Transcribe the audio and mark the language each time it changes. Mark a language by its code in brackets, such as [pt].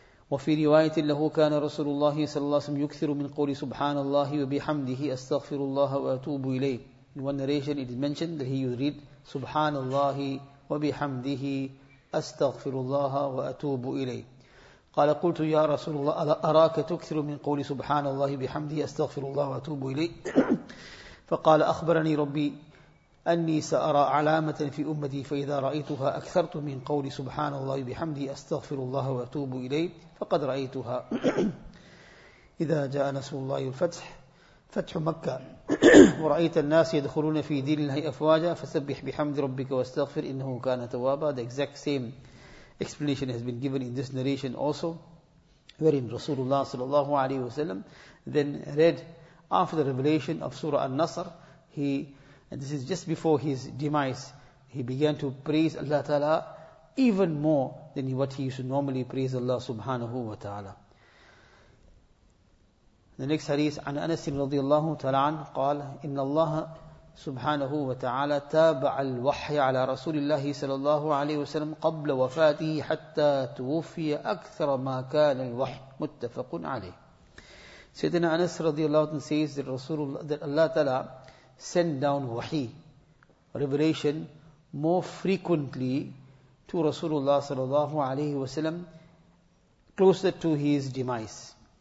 [ar] وَفِي رِوَايَةٍ لَهُ كَانَ رَسُولُ اللَّهِ صَلَّى اللَّهُ عَلَيْهِ وَسَلَّمَ يُكْثِرُ مِنْ قُولِ سُبْحَانَ اللَّهِ وَبِحَمْدِهِ أَسْتَغْفِرُ اللَّهَ وَأَتُوبُ إِلَيْهِ. [en] In one narration it is mentioned that he would read [ar] سُبْحَانَ اللَّهِ وَبِحَمْدِهِ أَسْتَغْفِرُ اللَّهَ وَأَتُوبُ إِلَيْهِ. قال قلت يا رسول الله أراك تكثر من قول سبحان الله بحمده أستغفر الله وأتوب إليه. فقال أخبرني ربي أني سأرى علامة في أمتي فإذا رأيتها أكثرت من قول سبحان الله بحمده أستغفر الله وأتوب إليه فقد رأيتها إذا جاء نصر الله الفتح فتح مكة ورأيت الناس يدخلون في دين الله أفواجا فسبح بحمد ربك واستغفر إنه كان توابا. [en] The exact same explanation has been given in this narration also, wherein Rasulullah sallallahu alayhi wasallam then read after the revelation of Surah An-Nasr, and this is just before his demise, he began to praise Allah Ta'ala even more than what he used to normally praise Allah subhanahu wa ta'ala. The next hadith, [ar] an Anas radiallahu ta'ala an, qal, inna Allah سبحانه وتعالى تابع الوحي على رسول الله صلى الله عليه وسلم قبل وفاته حتى توفي أكثر ما كان الوحي. متفق عليه. [en] سيدنا أنس رضي الله عنه says that Allah تعالى sent down وحي, revelation, more frequently to رسول الله صلى الله عليه وسلم closer to his demise.